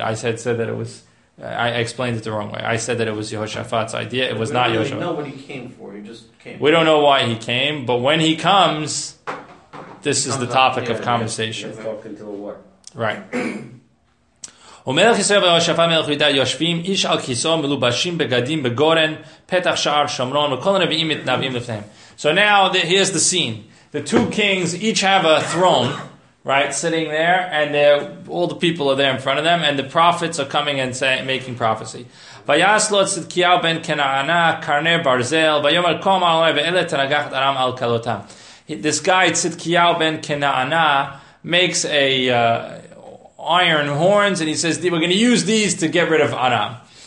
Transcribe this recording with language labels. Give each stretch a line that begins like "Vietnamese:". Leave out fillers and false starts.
English: I said that it was, I explained it the wrong way. I said that it was Yehoshaphat's idea. It was not Yehoshaphat. We don't really know what he came for. He just came. We don't know why he came, but when he comes, this is the topic of conversation. He's talking to a war. Right.
Hebrew: ומלך ישראל ויהושפט מלך יהודה יושבים איש על כיסאו מלובשים בגדים בגורן פתח שער שומרון וכל הנביאים מתנבאים לפניהם.
English: So now here's the scene. The two kings each have a throne, right, sitting there, and all the people are there in front of them, and the prophets are coming and making prophecy.
Hebrew: ויעש לו צדקיהו בן כנענה קרני ברזל ויאמר כל מעלה ואלה תנגח את ארם על כלותם.
English: This guy צדקיהו בן כנענה makes a iron horns, and he says, we're going to use these to get rid of Aram.